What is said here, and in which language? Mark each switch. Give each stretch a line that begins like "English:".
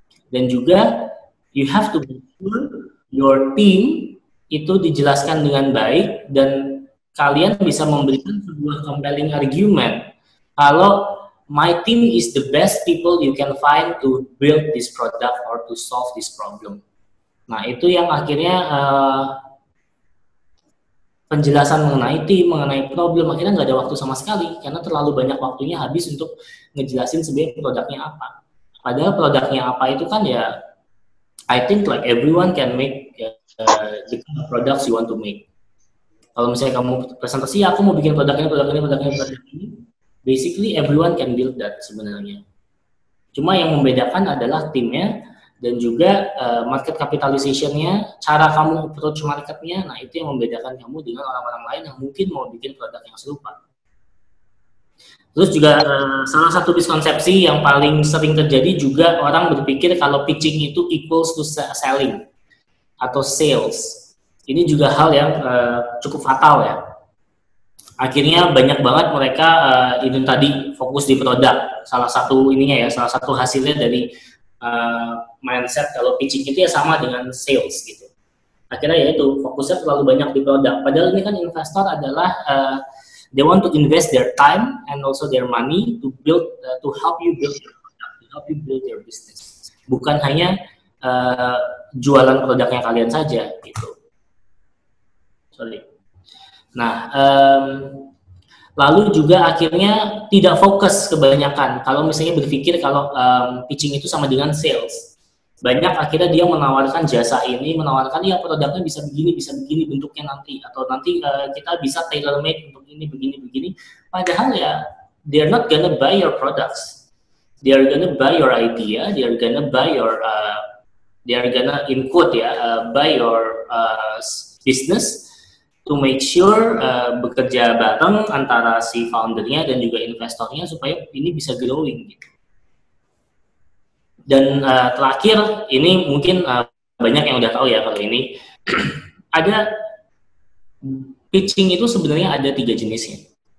Indonesian: Dan juga,
English: you have to be sure your team
Indonesian: itu dijelaskan dengan baik, dan kalian bisa memberikan sebuah
English: compelling argument, kalau my team is the best people you can find to build this product or to solve this problem.
Indonesian: Nah, itu yang akhirnya penjelasan mengenai tim, mengenai problem, akhirnya nggak ada waktu sama sekali, karena terlalu banyak waktunya habis untuk ngejelasin sebenarnya produknya apa. Padahal produknya apa itu kan ya,
English: I think like everyone can make the kind of products you want to make.
Indonesian: Kalau misalnya kamu presentasi, ya aku mau bikin produk ini,
English: basically everyone can build that
Indonesian: sebenarnya. Cuma yang membedakan adalah timnya, dan juga market capitalization-nya, cara kamu approach market-nya, nah itu yang membedakan kamu dengan orang-orang lain yang mungkin mau bikin produk yang serupa. Terus juga salah satu miskonsepsi yang paling sering terjadi juga orang berpikir kalau pitching itu
English: equals to selling
Indonesian: atau sales. Ini juga hal yang cukup fatal ya. akhirnya banyak banget mereka itu tadi fokus di produk, salah satu ininya ya, salah satu hasilnya dari mindset kalau pitching itu ya sama dengan sales gitu. Akhirnya ya itu fokusnya terlalu banyak di produk. Padahal ini kan investor adalah
English: they want to invest their time and also their money to build to help you build your product, to help you build your business.
Indonesian: Bukan hanya jualan produknya kalian saja gitu. Sorry. Nah, lalu juga akhirnya tidak fokus kebanyakan. Kalau misalnya berpikir kalau pitching itu sama dengan sales, banyak akhirnya dia menawarkan jasa ini, menawarkan ya produknya bisa begini bentuknya nanti, atau nanti kita bisa tailor made untuk ini begini begini. Padahal ya,
English: they are not gonna buy your products. They are gonna buy your idea. They are gonna buy your they are gonna input ya buy your business. To make sure
Indonesian: bekerja bareng antara si foundernya dan juga investornya supaya ini bisa growing gitu. Dan terakhir ini mungkin banyak yang udah tahu ya kalau ini ada pitching itu sebenarnya ada tiga jenisnya.